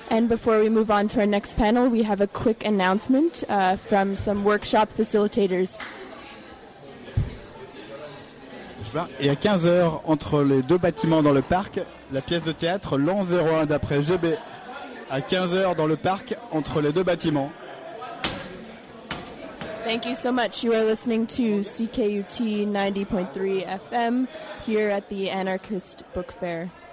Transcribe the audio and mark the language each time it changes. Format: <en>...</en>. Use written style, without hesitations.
<en>And before we move on to our next panel, we have a quick announcement from some workshop facilitators.</en> <fr>Et à 15h, entre les deux bâtiments dans le parc, la pièce de théâtre L'An 01 d'après GB. À 15h dans le parc, entre les deux bâtiments.</fr> <en>Thank you so much. You are listening to CKUT 90.3 FM here at the Anarchist Book Fair.</en>